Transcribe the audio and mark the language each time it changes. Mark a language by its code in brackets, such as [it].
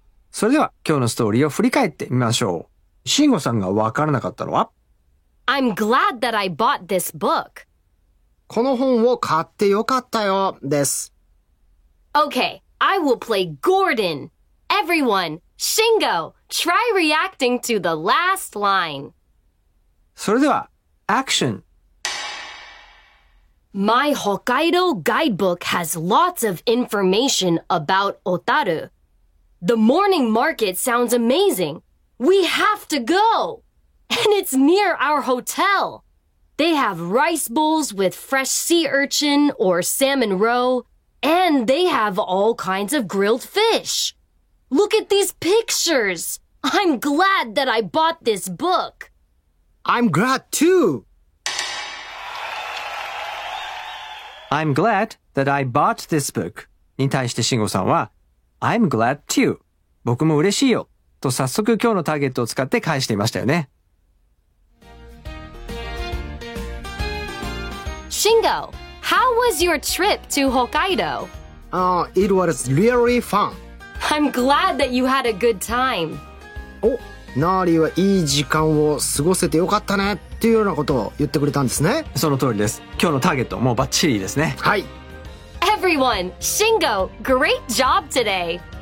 [ja] それでは、今日のストーリーを振り返ってみましょう。シンゴさんがわからなかったのは? [en] I'm glad that I bought this book. [ja] この本を買ってよかったよ、です。 [en] Okay, I will play Gordon. Everyone! Shingo, try reacting to the last line. [ja] それでは、action. [en] My Hokkaido guidebook has lots of information about Otaru. The morning market sounds amazing. We have to go! And it's near our hotel. They have rice bowls with fresh sea urchin or salmon roe, and they have all kinds of grilled fish. Look at these pictures! I'm glad that I bought this book! I'm glad too! I'm glad that I bought this book! [ja] に対してシンゴさんは I'm glad too! 僕も嬉しいよ! と早速今日のターゲットを使って返していましたよね。 [en] Shingo, how was your trip to Hokkaido? It was really fun! I'm glad that you had a good time. [ja] Oh, Nari はいい時間を過ごせてよかったねっていうようなことを言ってくれたんですね。その通りです。今日のターゲットもうバッチリですね。はい。 [en] Everyone, Shingo, great job today.